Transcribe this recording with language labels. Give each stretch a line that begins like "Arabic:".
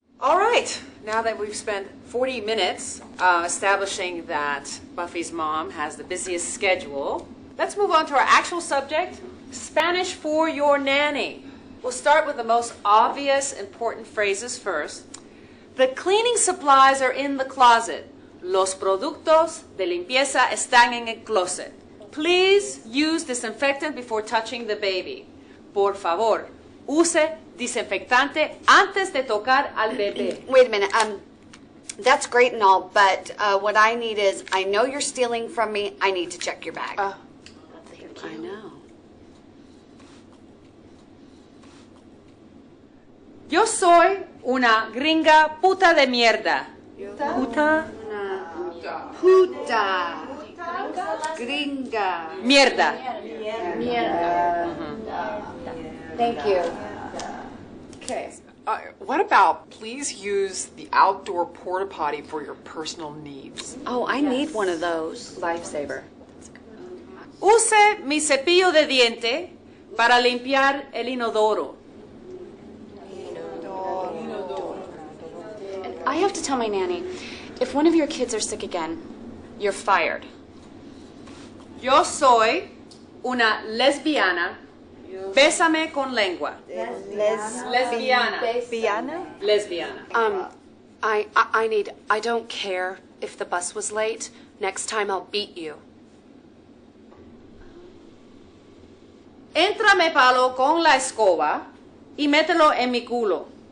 English: All right, now that we've spent 40 minutes establishing that Buffy's mom has the busiest schedule, let's move on to our actual subject, Spanish for your nanny. We'll start with the most obvious important phrases first. The cleaning supplies are in the closet.
Spanish: Los productos de limpieza están en el closet.
English: Please use disinfectant before touching the baby.
Spanish: Por favor, use desinfectante antes de tocar al bebé.
English: Wait a minute. That's great and all, but what I need is, I know you're stealing from me. I need to check your bag. Thank you. I know.
Spanish: Yo soy una gringa puta de mierda. Puta. Puta. Gringa. Mierda. Mierda.
English: Thank you. Okay. What about, please use the outdoor porta potty for your personal needs. Oh, I need one of those. Lifesaver.
Spanish: Use mi cepillo de diente para limpiar el inodoro.
English: I have to tell my nanny, if one of your kids are sick again, you're fired.
Spanish: Yo soy una lesbiana. Bésame con lengua. Lesbiana. Lesbiana.
English: I don't care if the bus was late. Next time I'll beat you.
Spanish: Entrame palo con la escoba y mételo en mi culo.